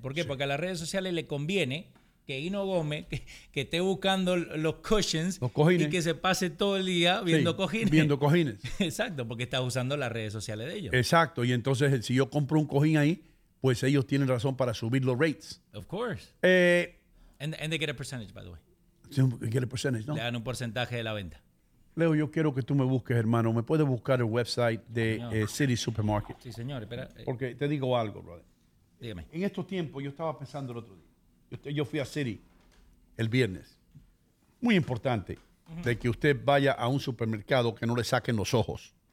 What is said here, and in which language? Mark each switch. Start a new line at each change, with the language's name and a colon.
Spanish: ¿Por qué? Sí. Porque a las redes sociales le conviene que Hino Gómez que esté buscando los cushions, los cojines, y que se pase todo el día viendo, sí, cojines. Viendo cojines. Exacto, porque estás usando las redes sociales de ellos. Exacto, y entonces si yo compro un cojín ahí, pues ellos tienen razón para subir los rates.
English: Of course. And they get a percentage, by the way. They get a percentage, ¿no?
Spanish: Le dan un porcentaje de la venta. Leo, yo quiero que tú me busques, hermano. ¿Me puedes buscar el website de City Supermarket? Sí, señor. Espera. Porque te digo algo, brother. Dígame. En estos tiempos, yo estaba pensando el otro día. Yo fui a City el viernes. Muy importante de que usted vaya a un supermercado que no le saquen los ojos.